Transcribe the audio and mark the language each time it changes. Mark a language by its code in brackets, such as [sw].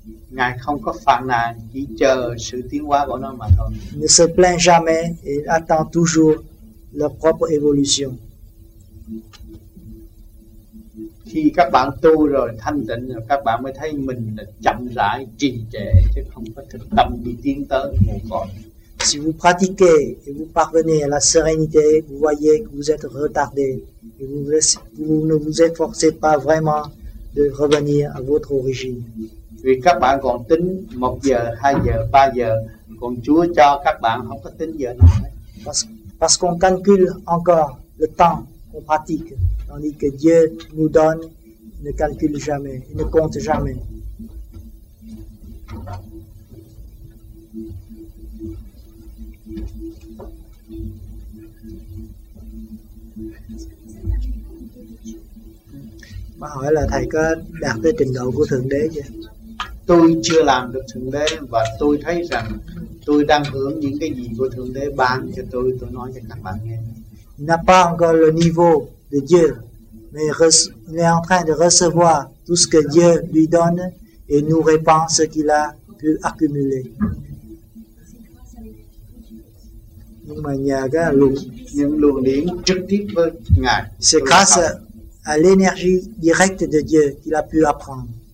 [vi] Ngài không có phàn nàn, chỉ chờ sự tiến hóa của nó mà thôi. [fr] Ne se plaint jamais et attend toujours leur propre évolution. [vi] Khi các bạn tu rồi thanh tịnh rồi các bạn mới thấy mình là chậm rãi trì trệ chứ không có thực tâm đi tiến tới mù quáng. [fr] Si vous pratiquez et vous parvenez à la sérénité, vous voyez que vous êtes retardé et vous ne vous efforcez pas vraiment de revenir à votre origine. [vi] Vì các bạn còn tính 1 giờ, 2 giờ, 3 giờ, còn Chúa cho các bạn không có tính giờ nào. [fr] Parce qu'on calcule encore le temps qu'on pratique. Tandis que Dieu nous donne, il ne calcule jamais, il ne compte jamais. [vi] Mà hỏi là thầy có đạt tới trình độ của Thượng Đế chưa? Tôi chưa làm được Thượng Đế và tôi thấy rằng tôi đang hưởng những cái gì của Thượng Đế ban cho tôi nói cho các bạn nghe. [fr] Il n'a pas encore le niveau de Dieu. Mais il est en train de recevoir tout ce que Dieu lui donne et nous répand ce qu'il a pu accumuler. [vi] Nhưng mà nhờ cái luồng những luồng điện trực tiếp với ngài. [fr] C'est grâce à l'énergie directe de Dieu qu'il a pu apprendre.